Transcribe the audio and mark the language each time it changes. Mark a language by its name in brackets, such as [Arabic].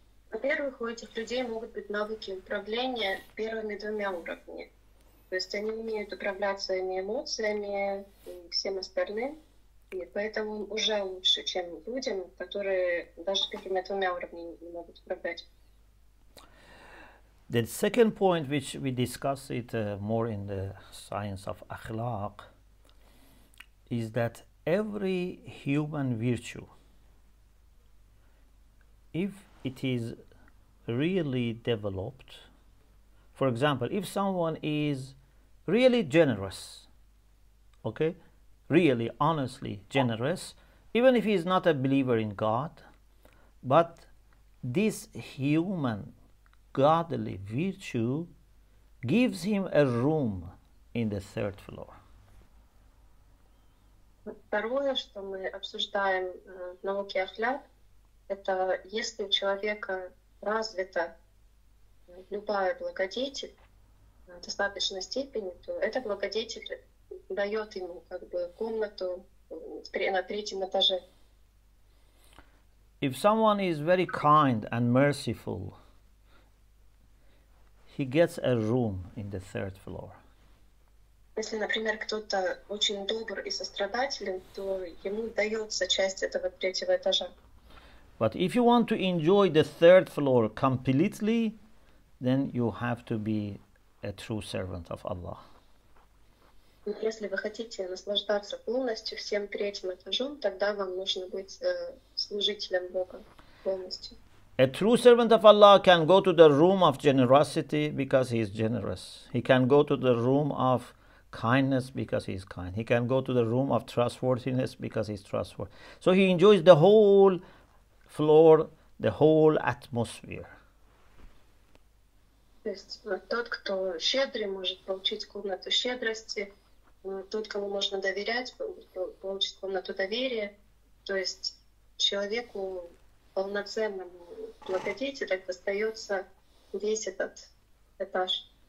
[Russian] Во-первых, у этих людей могут быть навыки управления первыми двумя уровнями. То есть они умеют управлять своими эмоциями и всем остальным, и поэтому уже лучше, чем людям, которые даже первыми двумя уровнями не могут управлять. [English] The second point, which we discuss it more in the science of akhlaq, is that every human virtue, if it is really developed, for example, if someone is really generous, okay, really honestly generous, even if he is not a believer in God, but this human godly virtue gives him a room in the third floor. [Russian] Второе, что мы обсуждаем в науке Ахляб, это если у человека развита любая благодетель в достаточной степени, то эта благодетель дает ему как бы комнату на третьем этаже. [English] If someone is very kind and merciful, he gets a room in the third floor. [Russian] Если, например, кто-то очень добр и сострадателен, то ему дается часть этого третьего этажа. [English] But if you want to enjoy the third floor completely, then you have to be a true servant of Allah. [Russian] Если вы хотите наслаждаться полностью всем третьим этажом, тогда вам нужно быть служителем Бога полностью. [English] A true servant of Allah can go to the room of generosity because he is generous. He can go to the room of kindness because he is kind. He can go to the room of trustworthiness because he is trustworthy. So he enjoys the whole floor, the whole atmosphere. [Russian] То есть тот, кто щедрый, может получить комнату щедрости. Тот, кому можно доверять, получит комнату доверия. То есть человеку полноценному благодетелю достается весь этот этаж.